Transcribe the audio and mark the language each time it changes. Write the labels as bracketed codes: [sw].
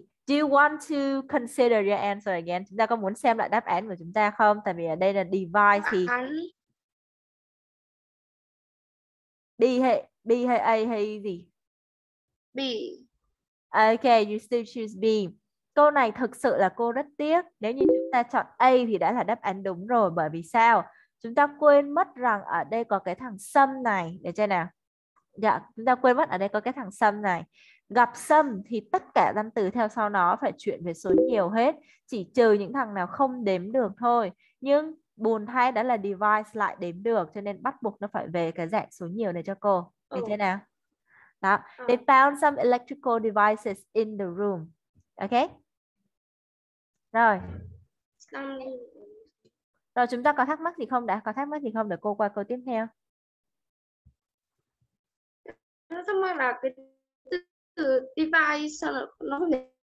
[en] Do you want to consider your answer again? [vi] Chúng ta có muốn xem lại đáp án của chúng ta không? Tại vì ở đây là device thì B hệ A hay gì? Bì. [en] Okay, you still choose B. [vi] Câu này thực sự là cô rất tiếc. Nếu như chúng ta chọn A thì đã là đáp án đúng rồi. Bởi vì sao? Chúng ta quên mất rằng ở đây có cái thằng sâm này. Để xem nào. Dạ, chúng ta quên mất ở đây có cái thằng sâm này. Gặp sâm thì tất cả danh từ theo sau nó phải chuyển về số nhiều hết. Chỉ trừ những thằng nào không đếm được thôi. Nhưng buồn thay đã là device lại đếm được. Cho nên bắt buộc nó phải về cái dạng số nhiều này cho cô. Để xem nào. Đó. [en] They found some electrical devices in the room. Ok. [vi] Rồi chúng ta có thắc mắc gì không đã? Có thắc mắc gì không để cô qua câu tiếp theo. Nó là cái từ device sao nó không để